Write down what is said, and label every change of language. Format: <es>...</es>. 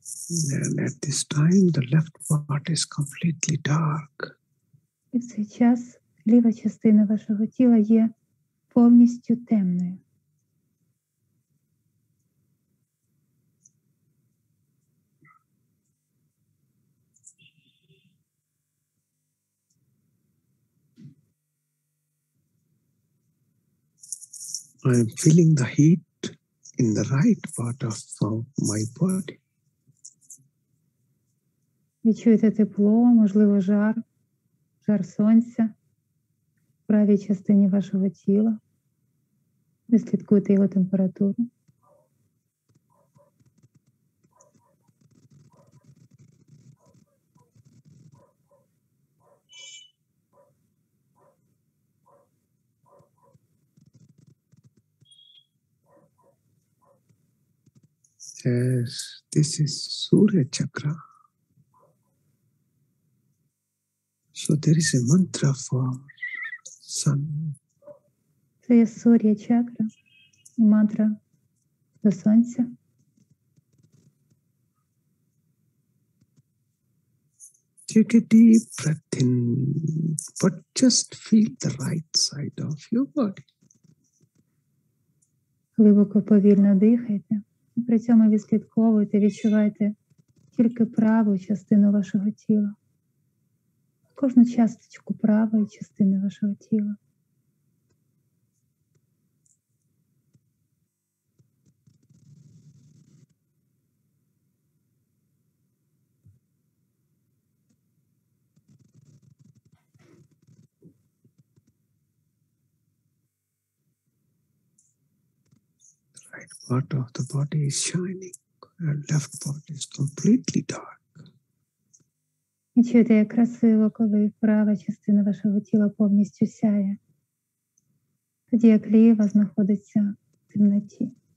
<en>And at this time the left part is completely dark.</en> <uk>І в цей час ліва частина вашого тіла є повністю темною.</uk> <en>I am feeling the heat in the right part of my body.</en> <uk>Відчуєте тепло, можливо, жар, жар сонця в правій частині вашого тіла. Ви слідкуєте його температуру.</uk> <en>Yes, this is Surya Chakra. So there is a mantra for sun.</en> <uk>Це є Сурья Чакра і мантра до сонця.</uk> <en>Take a deep breath in, but just feel the right side of your body.</en> <uk>Глибоко повільно дихайте. І при цьому відслідковуйте, відчувайте тільки праву частину вашого тіла. Кожну часточку правої частини вашого тіла.</uk> <en>Part of the body is shining, and left part is completely dark.</en> <uk>І чуєте, як красиво, коли права частина вашого тіла повністю сяє, тоді як ліва знаходиться в темноті.</uk>